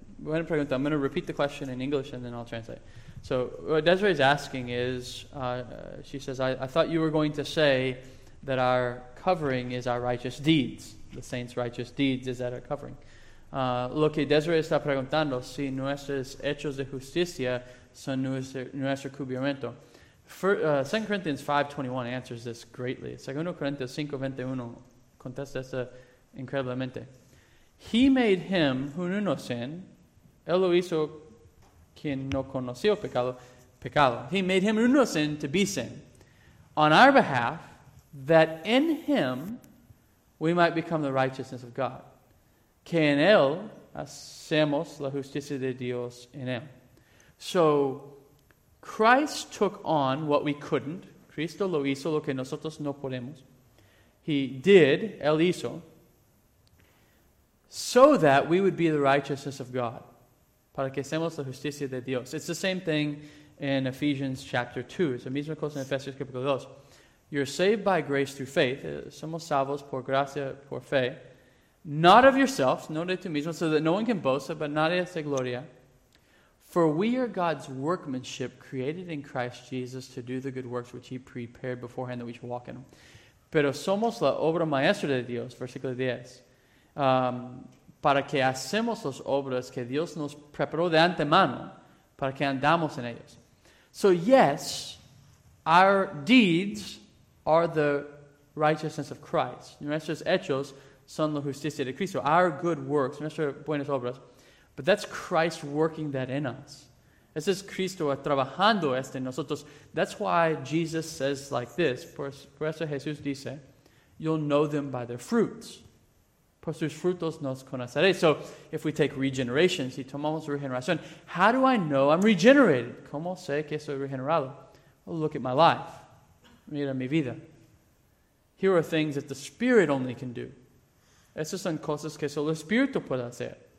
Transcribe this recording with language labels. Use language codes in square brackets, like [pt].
[en] I'm going to repeat the question in English and then I'll translate. So what Desiree's asking is, she says, I thought you were going to say that our covering is our righteous deeds. The saints' righteous deeds is that our covering. [es] Lo que Desiree está preguntando, si nuestros hechos de justicia son nuestro cubrimiento. [en] 2 Corinthians 5:21 answers this greatly. [es] 2 Corinthians 5:21 contesta esto increíblemente. [en] He made him who knew no sin, [es] él lo hizo quien no conoció pecado. [en] He made him who knew no sin to be sin on our behalf, that in him we might become the righteousness of God. [es] Que en él hacemos la justicia de Dios en él. [en] So Christ took on what we couldn't. [es] Cristo lo hizo lo que nosotros no podemos. [en] He did, [es] él hizo, [en] so that we would be the righteousness of God. [es] Para que seamos la justicia de Dios. [en] It's the same thing in Ephesians chapter 2. It's the [es] misma cosa en Efesios capítulo [en] 2. You're saved by grace through faith. [es] Somos salvos por gracia, por fe. [en] Not of yourselves, [es] no de tu mismo, [en] so that no one can boast, but [es] nadie se gloria. [en] For we are God's workmanship, created in Christ Jesus to do the good works which he prepared beforehand that we should walk in them. [es] Pero somos la obra maestra de Dios, versículo 10. Para que hacemos las obras que Dios nos preparó de antemano, para que andamos en ellos. [en] So yes, our deeds are the righteousness of Christ. [es] Nuestros hechos son la justicia de Cristo. [en] Our good works, [es] nuestras buenas obras. [en] But that's Christ working that in us. [es] Es es Cristo trabajando esto en nosotros. [en] That's why Jesus says like this. [es] Por eso Jesús dice, [en] you'll know them by their fruits. [es] Por sus frutos nos conoceréis. [en] So if we take regeneration, [es] si tomamos regeneración, [en] how do I know I'm regenerated? [es] ¿Cómo sé que soy regenerado? [en] Well, look at my life. [es] Mira mi vida. [en] Here are things that the Spirit only can do. [es] Estas son cosas que solo el Espíritu puede hacer.